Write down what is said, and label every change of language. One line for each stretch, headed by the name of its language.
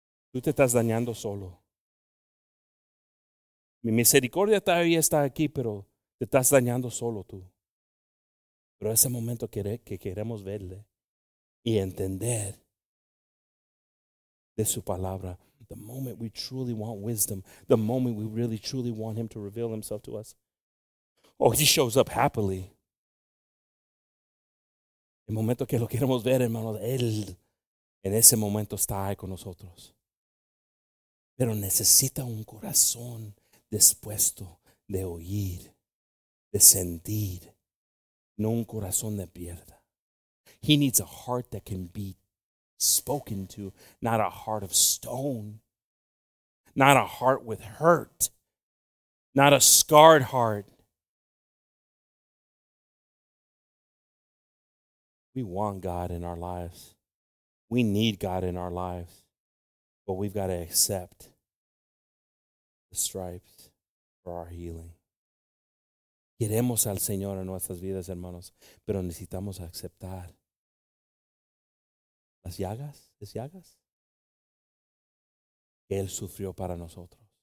Spanish: Tú te estás dañando solo. Mi misericordia todavía está aquí, pero te estás dañando solo tú. Pero es el momento que queremos verle y entender de su palabra.
English: The moment we truly want wisdom, the moment we really truly want Him to reveal Himself to us. Oh, He shows up happily.
Spanish: El momento que lo queremos ver, hermanos, Él en ese momento está ahí con nosotros. Pero necesita un corazón dispuesto de oír, de sentir, no un corazón de piedra.
English: He needs a heart that can be spoken to, not a heart of stone, not a heart with hurt, not a scarred heart. We want God in our lives. We need God in our lives. But we've got to accept the stripes for our healing.
Spanish: Queremos al Señor en nuestras vidas, hermanos, pero necesitamos aceptar las llagas, las llagas que Él sufrió para nosotros.